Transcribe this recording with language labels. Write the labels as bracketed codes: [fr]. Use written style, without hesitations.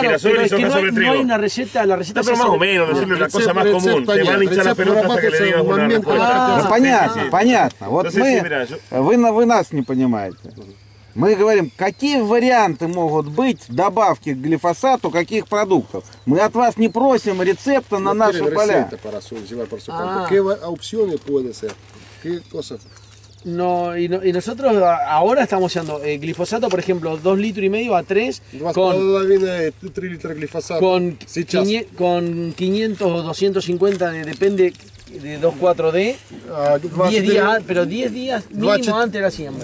[es] girasol y soja sobre trigo. No hay una receta, la receta no, pero más o menos, no, decirle la cosa más común. Te van a hinchar las pelotas hasta que le digas una respuesta. [ru] Понятно, понятно. Вот мы, вы нас не понимаете. Мы говорим, какие варианты могут быть добавки к глифосату, каких продуктов. Мы от вас не просим рецепта на наши поля. Какие опционы пользуются? Какие способы? [es] No, y nosotros ahora estamos usando glifosato, por ejemplo, 2 litros y medio a 3 con 3 litros de glifosato. Con 500 o 250, depende de 2,4-D. 10 días, pero 10 días mínimo antes de la siembra.